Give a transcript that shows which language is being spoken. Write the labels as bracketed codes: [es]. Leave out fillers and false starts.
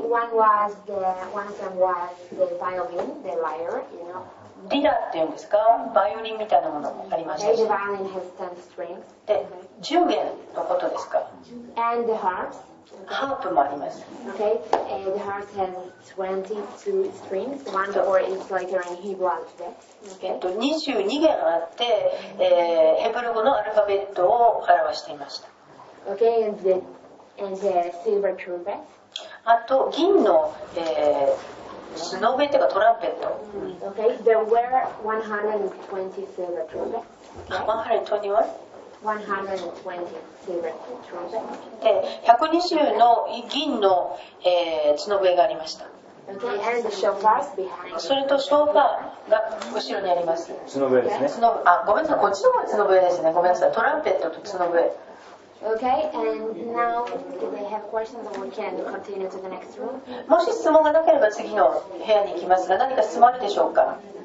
[en] One was the, one of them was the violin, the lyre, you know. [ja] リラっていうんですか、バイオリンみたいなものありましたし。 [en] The violin has ten strings. [ja] で、10弦のことですか。 [en] And the harp. [ja] ハープもあります。 [en] Okay. And the harp has 22 strings. One or it's like a Hebrew alphabet. Okay. [ja] 22弦あって、ヘブル語のアルファベットを表していました。 [en] Okay. And the silver trumpet. [ja] あと銀の、スノベというかトランペット。 [en] Okay, there were 120 silver trumpets. 120 what? 120 silver trumpets. [ja] で、120の銀の、スノベがありました。 [en] Okay, and the shofars behind. [ja] それとショーファーが後ろにあります。スノベですね。スノベ、あ、ごめんなさい、こっちの方がスノベですね。ごめんなさい、トランペットとスノベ。 [en] Okay, and now they have questions, and we can continue to the next room. [ja] もし質問がなければ次の部屋に行きますが、何か質問あるでしょうか。